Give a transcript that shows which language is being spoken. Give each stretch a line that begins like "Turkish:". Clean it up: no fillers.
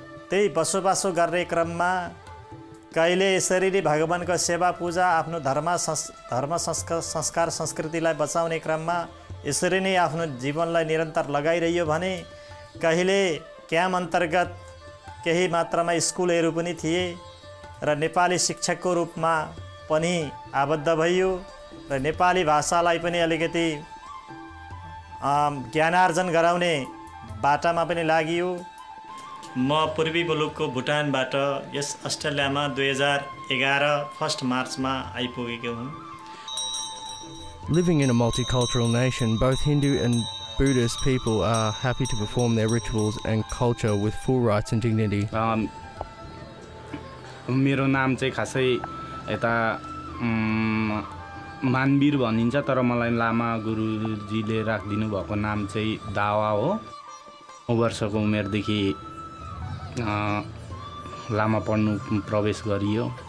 Nepali: त्यही बसोबासो गर्ने क्रममा कहिले यसरी नै भगवानको सेवा पूजा आफ्नो धर्म संस्कार संस्कृतिलाई बचाउने क्रममा यसरी नै आफ्नो जीवनलाई निरन्तर लगाइरह्यो भने कहिले क्याम्प अन्तर्गत केही मात्रामा स्कुलहरू पनि थिए र नेपाली शिक्षकको रूपमा पनि आबद्ध भइयो र नेपाली भाषालाई पनि अलिकति ज्ञानार्जन गराउने बाटामा पनि लागियो म पूर्वी मुलुकको भुटानबाट यस अस्ट्रेलियामा 2011 फर्स्ट मार्चमा आइपुगेको हुँ
English: Living in a multicultural nation, both Hindu and Buddhist people are happy to perform their rituals and culture with full rights and dignity.
Nepali: मेरो नाम चाहिँ खासै यता मानवीर भनिन्छ तर मलाई लामा गुरुजीले राखिदिनु भएको नाम चाहिँ दावा हो म वर्षको उमेरदेखि लामा पढ्नु प्रवेश गरियो